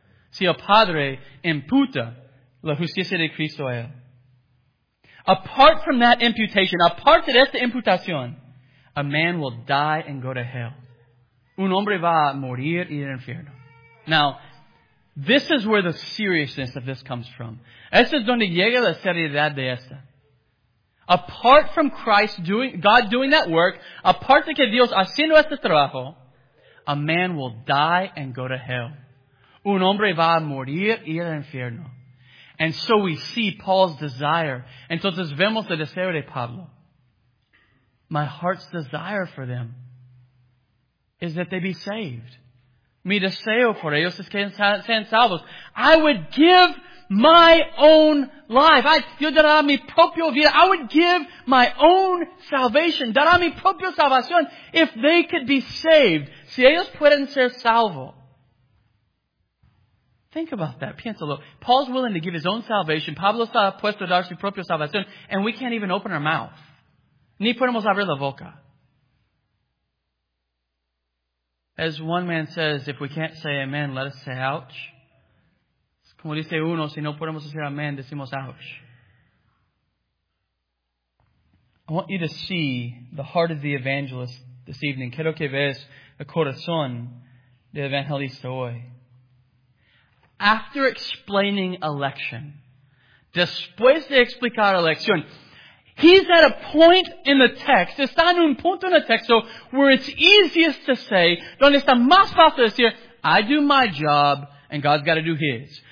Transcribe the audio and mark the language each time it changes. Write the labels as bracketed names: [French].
[Spanish] Si el Padre imputa la justicia de Cristo a él. [English] Apart from that imputation, [Spanish] apart de esta imputación, [English] a man will die and go to hell. [Spanish] Un hombre va a morir y ir al infierno. [English] Now, this is where the seriousness of this comes from. [Spanish] Esto es donde llega la seriedad de esta. [English] Apart from Christ doing, God doing that work, [Spanish] apart de que Dios haciendo este trabajo, [English] a man will die and go to hell. [Spanish] Un hombre va a morir y ir al infierno. [English] And so we see Paul's desire. [Spanish] Entonces vemos el deseo de Pablo. [English] My heart's desire for them is that they be saved. [Spanish] Mi deseo por ellos es que sean salvos. [English] I would give my own life. [Spanish] Yo daría mi propia vida. [English] I would give my own salvation. [Spanish] Daría mi propia salvación [English] if they could be saved. [Spanish] Si ellos pueden ser salvos. [English] Think about that. [Spanish] Piénsalo. [English] Paul's willing to give his own salvation. [Spanish] Pablo está puesto a dar su propia salvación. [English] And we can't even open our mouth. [Spanish] Ni podemos abrir la boca. [English] As one man says, if we can't say amen, let us say ouch. [Spanish] Como dice uno, si no podemos decir amen, decimos ouch. [English] I want you to see the heart of the evangelist this evening. [Spanish] Quiero que veas el corazón del evangelista hoy. [English] After explaining election, [Spanish] después de explicar election, [English] he's at a point in the text, [Spanish] está en un punto en el texto [English] where it's easiest to say, [Spanish] donde está más fácil decir, [English] I do my job and God's got to do his.